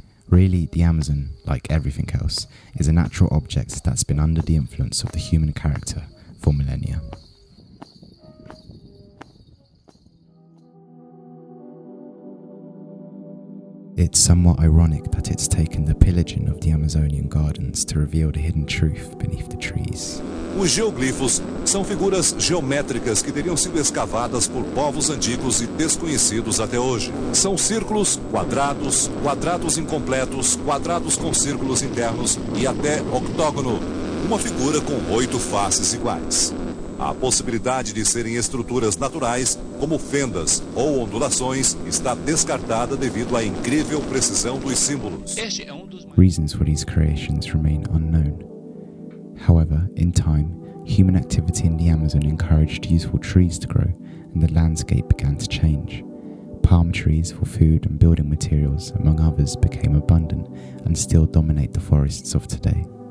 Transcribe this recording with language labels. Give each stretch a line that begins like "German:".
English: Really, the Amazon, like everything else, is a natural object that's been under the influence of the human character for millennia. It's somewhat ironic that it's taken the pillaging of the Amazonian gardens to reveal the hidden truth beneath the trees.
Portuguese: Os geoglifos são figuras geométricas que teriam sido escavadas por povos antigos e desconhecidos até hoje. São círculos, quadrados, quadrados incompletos, quadrados com círculos internos e até octógono, uma figura com oito faces iguais. A possibilidade de serem estruturas naturais, como fendas ou ondulações, está descartada devido à incrível precisão dos símbolos.
English: Reasons for these creations remain unknown. However, in time, human activity in the Amazon encouraged useful trees to grow, and the landscape began to change. Palm trees for food and building materials, among others, became abundant and still dominate the forests of today.